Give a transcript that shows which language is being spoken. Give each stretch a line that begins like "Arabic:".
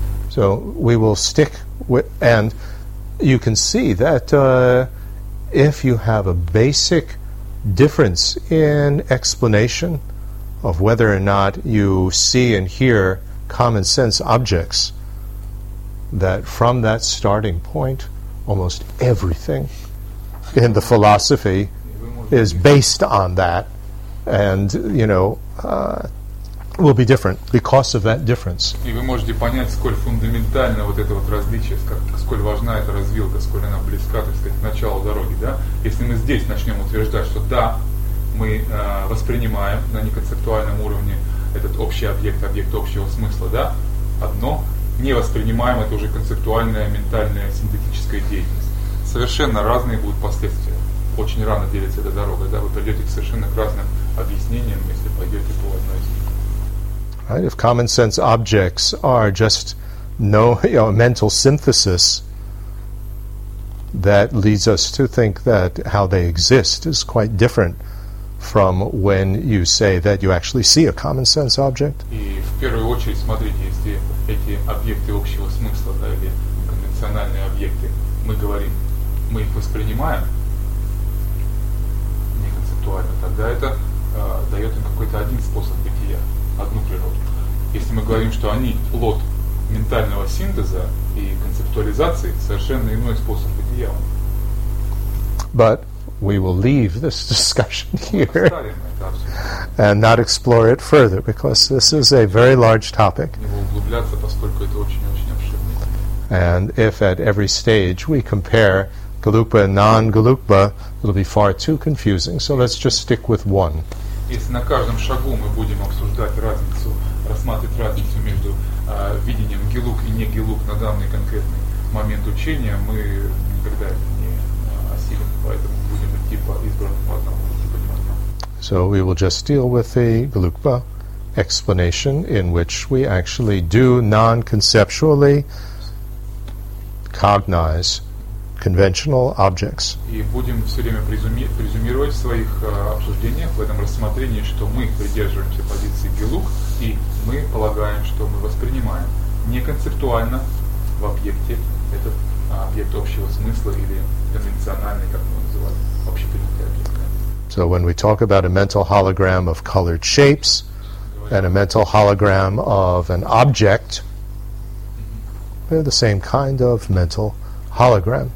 English: So we will stick with, and you can see that if you have a basic difference in explanation of whether or not you see and hear common sense objects, that from that starting point, almost everything in the philosophy is based on that, and, you know, will be different because of that difference.
Russian: И вы можете понять, сколь фундаментально вот это вот различие, сколь важна эта развилка, сколь она близка, так сказать, к началу дороги, да? Если мы здесь начнем утверждать, что да, мы воспринимаем на неконцептуальном уровне этот общий объект, объект общего смысла, да, одно, не воспринимаем, это уже концептуальная, ментальная, синтетическая деятельность. Совершенно разные будут последствия. Очень рано делится эта дорога, да? Вы придете к совершенно разным объяснениям, если пойдете по одной из них.
English: Right? If common sense objects are just no, you know, mental synthesis that leads us to think that how they exist is quite different from when you say that you actually see a common sense object.
Russian: И в первую очередь, смотрите, если эти объекты общего смысла, да, или конвенциональные объекты, мы говорим, мы их воспринимаем неконцептуально, тогда это дает им какой-то один способ бытия. Одну природу. Если мы говорим, что они плод ментального синтеза и концептуализации, совершенно иной способ бытия.
English: But we will leave this discussion here and not explore it further because this is a very large topic.
Russian: Не будем углубляться, поскольку это очень-очень обширный.
English: And if at every stage we compare galupa and non-galupa, it'll be far too confusing. So let's just stick with one.
Russian: Если на каждом шагу мы будем обсуждать разницу, рассматривать разницу между видением гелуг и не гелуг на данный конкретный момент учения, мы никогда это не осилим, поэтому будем идти по избранному одному.
English: So we will just deal with a galupa explanation in which we actually do non-conceptually cognize conventional objects.
Russian: И будем все время презюмировать в своих обсуждениях, в этом рассмотрении, что мы придерживаемся позиции гелуг, и мы полагаем, что мы воспринимаем неконцептуально в объекте этот объект общего смысла или конвенциональный, как мы называем, общепринятый объект.
English: So when we talk about a mental hologram of colored shapes and a mental hologram of an object, they're the same kind of mental hologram.